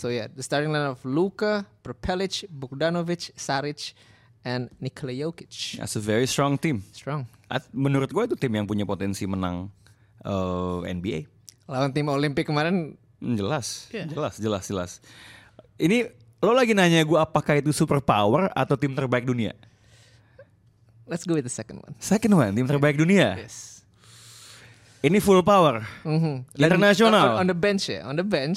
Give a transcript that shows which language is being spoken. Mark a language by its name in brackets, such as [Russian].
[English] So yeah, the starting line of Luka, Perpelic, Bogdanovic, Saric and Nikola Jokic. That's a very strong team. Strong. [Indonesian] Menurut gue itu tim yang punya potensi menang NBA. Lawan tim Olimpik kemarin. Jelas, yeah. jelas. Ini lo lagi nanya gue apakah itu superpower atau tim terbaik dunia? [English] Let's go with the second one. Second one, [Indonesian] tim terbaik dunia? [English] Yes. [Indonesian] Ini full power. Mm-hmm. Internasional. [English] On the bench ya, on the bench.